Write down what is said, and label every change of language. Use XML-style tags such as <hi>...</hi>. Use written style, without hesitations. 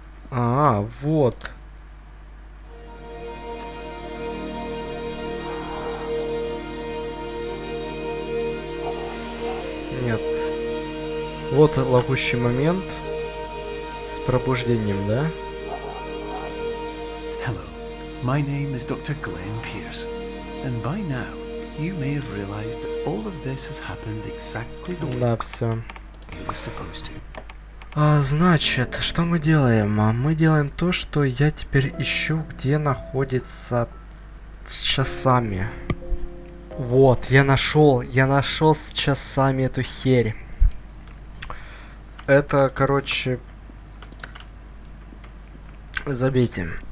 <ru>А, вот. Нет. Вот ловущий момент с пробуждением, да?</ru> <en>My name is Dr. Glenn Pierce. And by now, you may have realized that all of this has happened exactly the way you were supposed to.</en> <ru>А, значит, что мы делаем? Мы делаем то, что я теперь ищу, где находится с часами. Вот, я нашел с часами эту херь. Это, короче, забейте.</ru>